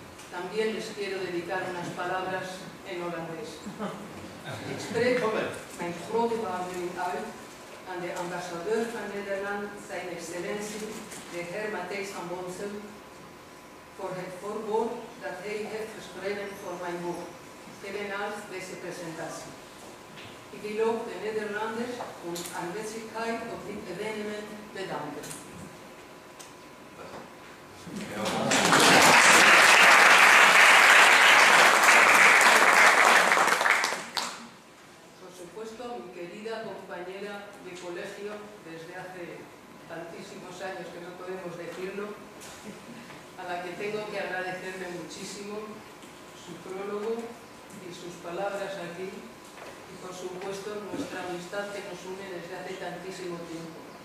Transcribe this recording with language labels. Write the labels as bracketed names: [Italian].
[Spanish] También les quiero dedicar unas palabras en holandés. Expreso [Dutch] mijn grote waardering uit aan de ambassadeur van Nederland, zijn excellentie, de heer Matthijs van Bonsen, voor het voorwoord dat hij heeft geschreven voor mijn boek, evenals deze presentatie. Ik wil ook de Nederlanders hun aanwezigheid op dit evenement bedanken. [Spanish] Por supuesto, a mi querida compañera de colegio desde hace tantísimos años que no podemos decirlo, a la que tengo que agradecerle muchísimo su prólogo y sus palabras aquí, y por supuesto nuestra amistad que nos une desde hace tantísimo tiempo.